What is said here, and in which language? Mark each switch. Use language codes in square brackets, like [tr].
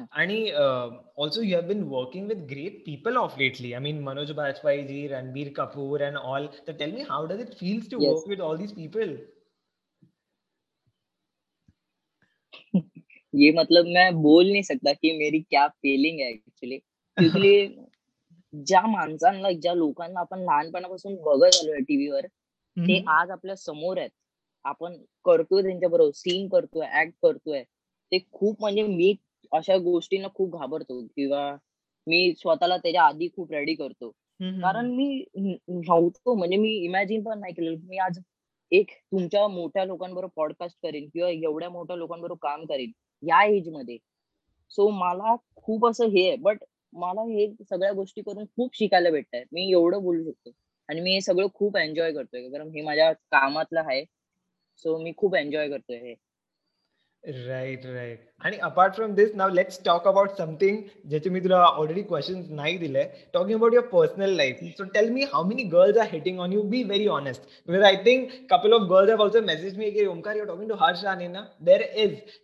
[en] And also you have been working with great people of lately. I mean, Manoj Bajpayee ji, Ranbir Kapoor and all. So tell me, how does it feel to work with all these people? [hi] ये मतलब मैं बोल नहीं सकता कि मेरी क्या feeling है actually. [mr] क्योंकि ज्या माणसांना ज्या लोकांना आपण लहानपणापासून बघत आलो आहे टीव्ही वर ते आज आपल्या समोर आहेत. आपण करतोय त्यांच्या बरोबर सीन करतोय ऍक्ट करतोय ते खूप म्हणजे मी अशा गोष्टींना खूप घाबरतो किंवा मी स्वतःला त्याच्या आधी खूप रेडी करतो कारण मी नव्हतो म्हणजे मी इमॅजिन पण नाही केलं मी आज एक तुमच्या मोठ्या लोकांबरोबर पॉडकास्ट करेन किंवा एवढ्या मोठ्या लोकांबरोबर काम करेन या एजमध्ये. सो मला खूप असं हे आहे बट मला हे सगळ्या गोष्टी करून खूप शिकायला भेटतंय मी एवढं बोलू शकतो आणि मी हे सगळं खूप एन्जॉय करतोय कारण हे माझ्या कामातलं आहे. सो मी खूप एन्जॉय करतोय हे. [en] Right, right. And apart from this, now let's talk about something which I have already [mr] questions nahi dile. [en] Talking about your personal life. So tell me how many girls are hitting on you. Be very honest. Because I think a couple of girls have also messaged me that Omkar, you're talking to Harsh Rane, na? There is.